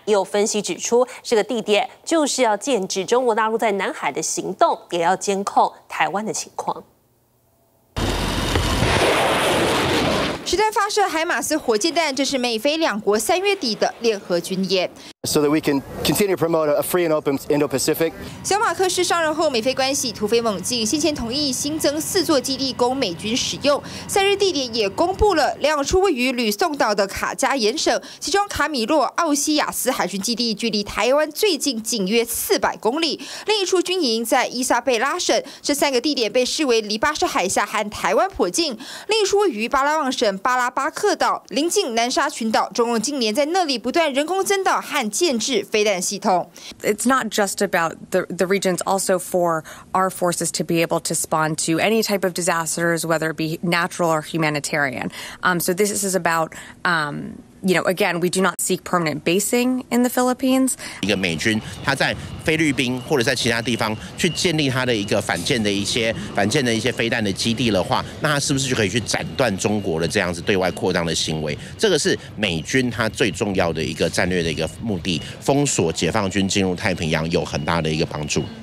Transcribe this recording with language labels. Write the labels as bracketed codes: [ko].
[zh] 也有分析指出，这个地点就是要限制中国大陆在南海的行动，也要监控台湾的情况。实弹发射海马斯火箭弹，这是美菲两国3月底的联合军演。 [en] So that we can continue to promote a free and open Indo-Pacific. [zh] 小马克斯上任后，美菲关系突飞猛进，先前同意新增4座基地供美军使用，三日地点也公布了，两处位于吕宋岛的卡加延省，其中卡米洛奥西亚斯海军基地距离台湾最近仅约400公里，另一处军营在伊莎贝拉省。这三个地点被视为离巴士海峡和台湾颇近，另一处位于巴拉望省巴拉巴克岛，临近南沙群岛。中共近年在那里不断人工增岛和建制飞弹系统。 [en] It's not just about the region, it's also for our forces to be able to respond to any type of disasters, whether it be natural or humanitarian. So this is about, you know, again, we do not seek permanent basing in the Philippines. [zh] 一个美军，他在菲律宾或者在其他地方去建立他的一个反舰的一些飞弹的基地的话，那他是不是就可以去斩断中国的这样子对外扩张的行为？这个是美军他最重要的一个战略的一个目的，封锁解放军进入太平洋有很大的一个帮助。